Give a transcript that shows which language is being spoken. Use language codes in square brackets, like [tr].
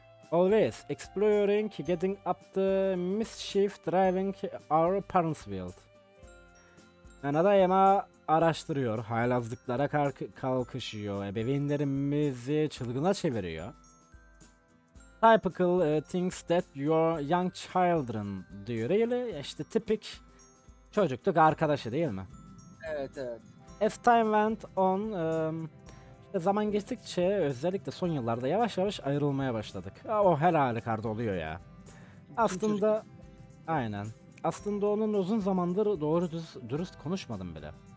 [en] Always exploring, getting up the mischief, driving our parents wild. [tr] Yani adayım ha, araştırıyor, haylazlıklara kalkışıyor, ebeveynlerimizi çılgına çeviriyor. [en] Typical things that your young children do really. [tr] İşte tipik çocukluk arkadaşı, değil mi? Evet. [en] As time went on, [tr] işte zaman geçtikçe özellikle son yıllarda yavaş yavaş ayrılmaya başladık. O her halükarda oluyor ya. Bütün çocuk. Aslında aynen. Aslında onunla uzun zamandır doğru dürüst konuşmadım bile.